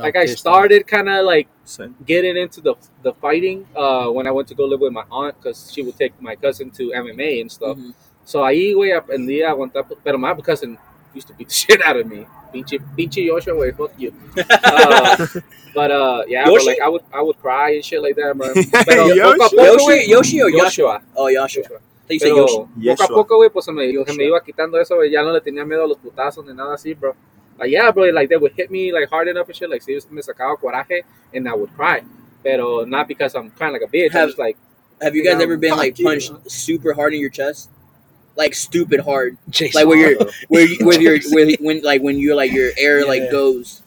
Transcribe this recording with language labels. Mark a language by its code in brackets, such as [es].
[en] I was a kid. Like, I started kind of, like, getting into the fighting when I went to go live with my aunt because she would take my cousin to MMA and stuff. Mm-hmm. So, [es] ahí, güey, aprendí a aguantar. [en] Pero my cousin used to beat the shit out of me. [es] Pinche Yoshi, güey, [en] fuck you. Yoshi? Like, I would cry and shit like that, bro. Yoshua? Oh, Yoshua. [es] Pero poco a poco, güey, pues se me iba quitando eso, güey. Ya no le tenía miedo a los putazos ni nada así, bro. [en] Like, yeah, bro, like, they would hit me, like, hard enough and shit. Like, [es] si me sacaba coraje, [en] and I would cry. Pero not because I'm crying like a bitch. I'm just like... Have you guys ever been, like, punched super hard in your chest? Like, stupid hard. Jason. Like, when your air goes.